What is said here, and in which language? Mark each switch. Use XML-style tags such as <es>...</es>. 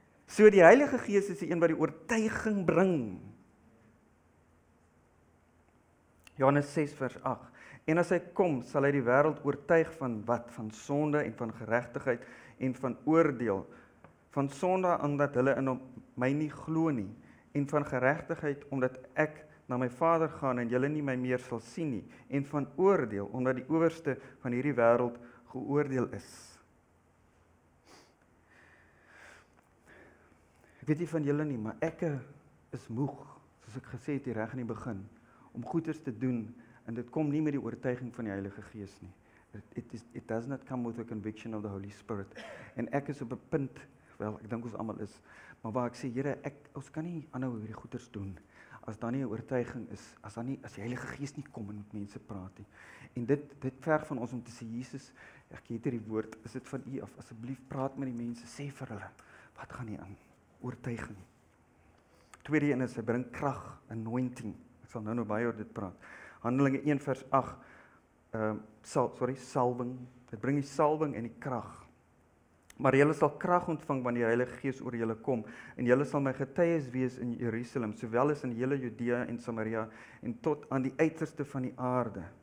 <af>So die Heilige Gees is die een wat die oortuiging bring, Johannes 6 vers 8, en as hy kom, sal hy die wêreld oortuig van wat? Van sonde en van geregtigheid en van oordeel. Van sonde, omdat hulle in my nie glo nie. En van geregtigheid, omdat ek na my Vader gaan en julle nie my meer sal sien nie. En van oordeel, omdat die owerste van hierdie wêreld geoordeel is. Ek weet nie van julle nie, maar ek is moeg, soos ek gesê het hier reg in die begin, om goeders te doen, en dit kom nie met die oortuiging van die Heilige Gees nie.</af> <en>It does not come with a conviction of the Holy Spirit.</en> <af>En ek is op 'n punt, wel, ek dink ons allemaal is, maar waar ek sê, Here, ons kan nie aanhou oor die goeders doen, as daar nie een oortuiging is, as die Heilige Gees nie kom en met mense praat nie. En dit verg van ons om te sê, Jesus, ek het hier die woord, is dit van u af, asseblief praat met die mense, sê vir hulle, wat gaan nie aan? Oortuiging. Tweede een is, hy bring krag, anointing. Ek sal nou baie oor dit praat. Handelinge 1 vers 8, salving, dit bring die salving en die krag. Maar jylle sal krag ontvang wanneer die Heilige Gees oor jylle kom, en jylle sal my getuies wees in Jerusalem, sowel as in hele Judea en Samaria, en tot aan die uiterste van die aarde.</af>